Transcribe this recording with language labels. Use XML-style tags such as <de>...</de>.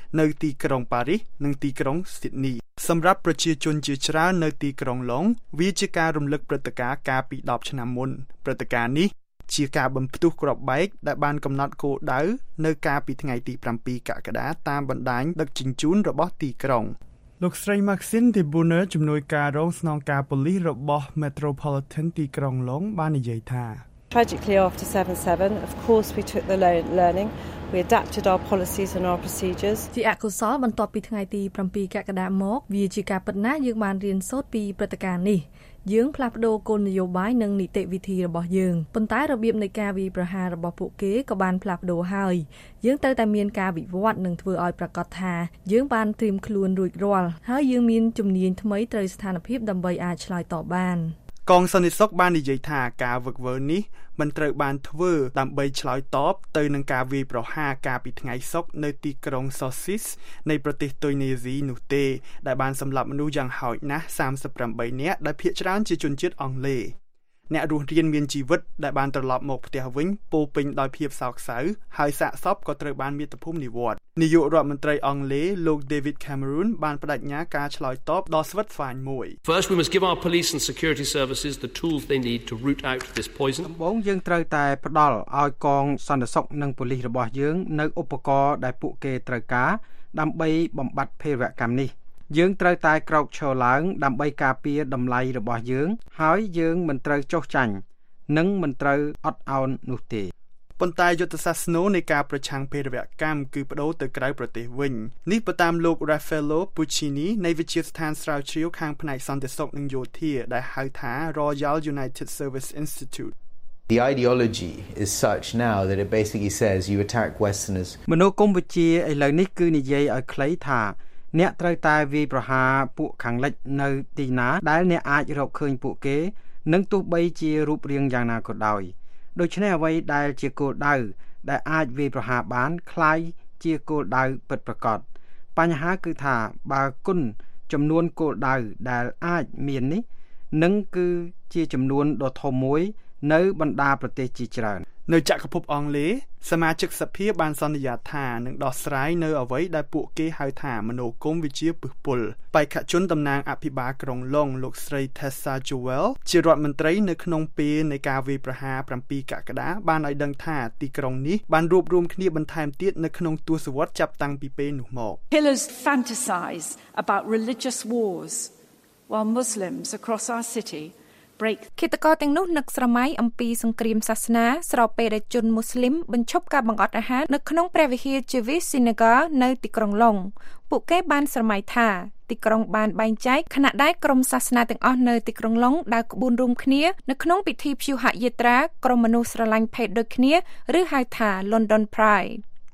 <km>នៅទីក្រុងប៉ារីសនិងទីក្រុងស៊ីដនីសម្រាប់ប្រជាជនជាច្រើននៅទីក្រុងឡុងវាជាការរំលឹកព្រឹត្តិការណ៍កាលពី10ឆ្នាំមុនព្រឹត្តិការណ៍នេះជាការបំផ្ទុះគ្រាប់បែកដែលបានកំណត់គោលដៅនៅកាលពីថ្ងៃទី7កក្កដាតាមបណ្ដាញដឹកជញ្ជូនរបស់ទីក្រុងលោកស្រី Maxine De Bonne ជំនួយការរងស្នងការប៉ូលីសរបស់ Metropolitan ទីក្រុងឡុងបាននិយាយថា</km> <en>Tragically after 7/7 of course we took the learning we adapted our policies and our procedures</en> <km>ទីអកុសលបន្ទាប់ពីថ្ងៃទី7កក្កដាមកវាជាការពិតណាស់យើងបានរៀនសូត្រពីព្រឹត្តិការណ៍នេះយើងផ្លាស់ប្ដូរគោលនយោបាយនិងនីតិវិធីរបស់យើងប៉ុន្តែរបៀបនៃការវាយប្រហាររបស់ពួកគេក៏បានផ្លាស់ប្ដូរហើយយើងត្រូវតែមានការវិវត្តនិងធ្វើឲ្យប្រាកដថាយើងបានត្រៀមខ្លួនរួចរាល់ហើយយើងមានជំនាញថ្មីត្រូវស្ថានភាពដើម្បីអាចឆ្លើយតបបាន កងសន្តិសុខបាននិយាយថាការវឹកវើនេះមិនត្រូវបានធ្វើដើម្បីឆ្លើយតបទៅនឹងការវាយប្រហារកាលពីថ្ងៃសុក្រនៅទីក្រុងសូស៊ីសនៃប្រទេសទុយនីស៊ីនោះទេដែលបានសម្លាប់មនុស្សយ៉ាងហោចណាស់38នាក់ដែលភាគច្រើនជាជនជាតិអង់គ្លេសអ្នករស់រានមានជីវិតដែលបានត្រឡប់មកផ្ទះវិញពោពេញដោយភាពសោកសៅហើយសាកសពក៏ត្រូវបានមាតុភូមិនិវត្តនាយករដ្ឋមន្ត្រីអង់គ្លេសលោក David Cameron បានបដិញ្ញាការឆ្លើយតបដល់ស្វិតស្វាញមួយ</km> <en>First we must give our police and security services the tools they need to root out this poison</en> <km>ដំបូងយើងត្រូវតែផ្ដល់ឲ្យកងសន្តិសុខនិងប៉ូលីសរបស់យើងនៅឧបករណ៍ដែលពួកគេត្រូវការដើម្បីបំបត្តិភេរវកម្មនេះយើងត្រូវតែក្រោកឈរឡើងដើម្បីការពារតម្លៃរបស់យើងហើយយើងមិនត្រូវចុះចាញ់និងមិនត្រូវអត់ឱននោះទេ ប៉ុន្តែយុទ្ធសាស្ត្រស្នូលនៃការប្រឆាំងភេរវកម្មគឺបដូរទៅក្រៅប្រទេសវិញនេះតាមលោក Raffaello Puccini នៃវិទ្យាស្ថានស្រាវជ្រាវខាងផ្នែកសន្តិសុខនិងយោធាដែលហៅថា Royal United Service Institute</km> <en>The ideology is such now that it basically says you attack westerners</en> <km>មនោគមវិជ្ជាឥឡូវនេះគឺនិយាយឲ្យខ្លីថាអ្នកត្រូវតែវាយប្រហារពួកខាងលិចនៅទីណាដែលអ្នកអាចរកឃើញពួកគេនឹងទោះបីជារូបរាងយ៉ាងណាក៏ដោយដូច្នេះអ្វីដែលជាគោលដៅដែលអាចវាយប្រហារបាន</km> <th>คล้าย</th> <km>ជាគោលដៅពិតប្រាកដបញ្ហាគឺថាបើគុណចំនួនគោលដៅដែលអាចមាននេះនឹងគឺជាចំនួនដ៏ធំមួយនៅបណ្ដាប្រទេសជាច្រើននៅចក្រភពអង់គ្លេសសមាជិកសភាបានសន្យាថានឹងដោះស្រាយនៅអ្វីដែលពួកគេហៅថាមនោគមវិជ្ជាពឹសពុលបេក្ខជនតំណាងអភិបាលក្រុងឡុងលោកស្រី Tessa Jewell ជារដ្ឋមន្ត្រីនៅក្នុងពេលនៃការវាយប្រហារ7កក្កដាបានឲ្យដឹងថាទីក្រុងនេះបានរួបរមគ្នាបន្ថែមទៀតនៅក្នុងទសវត្សរ៍ចាប់តាំងពីពេលនោះមក</km> <en>Killers fantasize about religious wars while Muslims across our city</en> <km>គិតកោទាំងនោះនឹកស្រមៃអំពីសង្គ្រាមសាសនាស្របពេលដែលជនមូស្លីមបញ្ឈប់ការបង្អត់អាហារនៅក្នុងព្រះវិហារជីវីស៊ីណាហ្កោនៅទីក្រុងឡុងពួកគេបានស្រមៃថាទីក្រុងបានបែងចែកខណៈដែលក្រុមសាសនាទាំងអស់នៅទីក្រុងឡុងដើរក្បួនរួមគ្នានៅក្នុងពិធីព្យុហយាត្រាក្រុមមនុស្សស្រឡាញ់ភេទដូចគ្នាឬហៅថា London Pride</km>